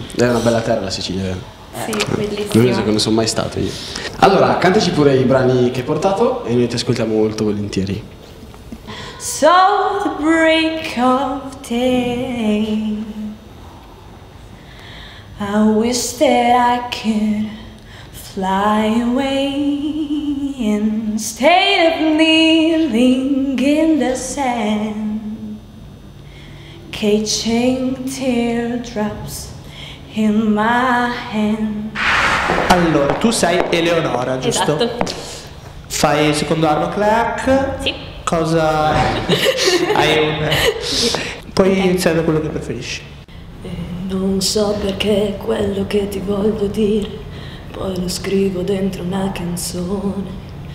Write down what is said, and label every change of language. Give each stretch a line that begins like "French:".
Italian: È una bella terra la Sicilia. Sì, bellissima. Non so che non sono mai stato io. Allora, cantaci pure i brani che hai portato e noi ti ascoltiamo molto volentieri.
English: So the break of day, I wish that I could fly away instead of kneeling in the sand, catching teardrops in my hand.
Italian: Allora, tu sei Eleonora, giusto? Esatto. Fai il secondo anno Clark? Sì. Cosa hai un... Puoi iniziare da quello che preferisci. Non so perché quello che ti voglio dire poi lo scrivo dentro una canzone.